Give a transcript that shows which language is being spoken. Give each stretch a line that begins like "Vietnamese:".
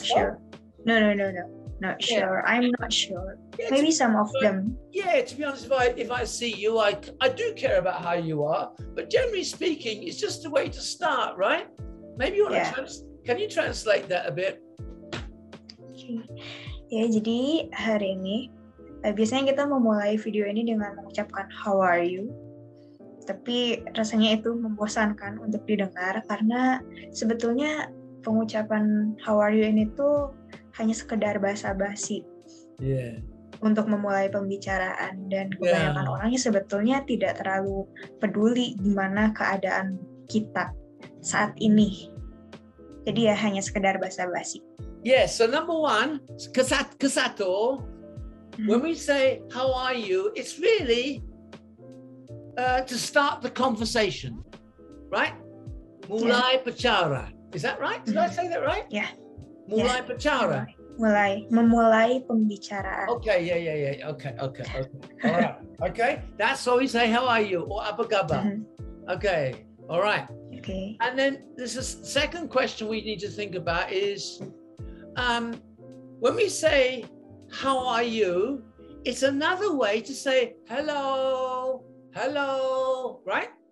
English: not so? Sure. No. Not sure. Yeah. I'm not sure. Yeah, maybe some of them. Yeah, to be honest, if I see you, I do care about how you are. But generally speaking, it's just a way to start, right? Maybe you want to can you translate that a bit? Okay.
Indonesian: Ya, jadi hari ini biasanya kita memulai video ini dengan mengucapkan how are you. Tapi rasanya itu membosankan untuk didengar karena sebetulnya pengucapan how are you ini tuh hanya sekedar basa-basi. Untuk memulai pembicaraan dan kebanyakan orangnya sebetulnya tidak terlalu peduli gimana keadaan kita saat ini. Jadi ya hanya sekedar basa-basi.
English: Yes, so number one, kesatu, when we say, how are you, it's really to start the conversation, right? Mulai bicara. Is that right? Did I say that right? Yeah.
Indonesian: Mulai bicara. Mulai, memulai pembicaraan.
English: Okay, yeah. Okay. All right. Okay, that's how we say, how are you, or apa kabar. Okay, all right. Okay. And then this is second question we need to think about is, when we say, how are you, it's another way to say, hello, right?